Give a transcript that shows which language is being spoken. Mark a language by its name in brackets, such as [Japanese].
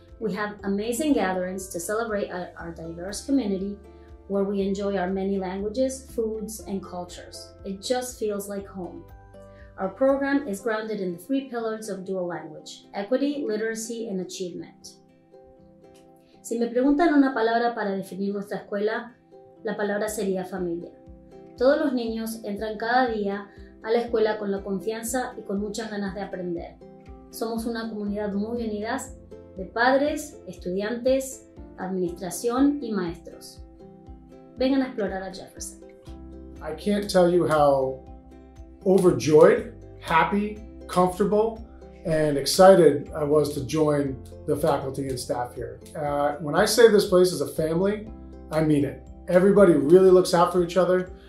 [English] We have amazing gatherings to celebrate our diverse community, where we enjoy our many languages, foods, and cultures. It just feels like home. Our program is grounded in the three pillars of dual language: equity, literacy, and achievement. [Spanish] Si me preguntan una palabra para definir nuestra escuela, la palabra sería familia. Todos los niños entran cada día a la escuela con la confianza y con muchas ganas de aprender. Somos una comunidad muy unida de padres, estudiantes, administración y maestros. Vengan a explorar a Jefferson. [English] I can't tell you how overjoyed, happy, comfortable, and excited I was to join the faculty and staff here. When I say this place is a family, I mean it. Everybody really looks out for each other.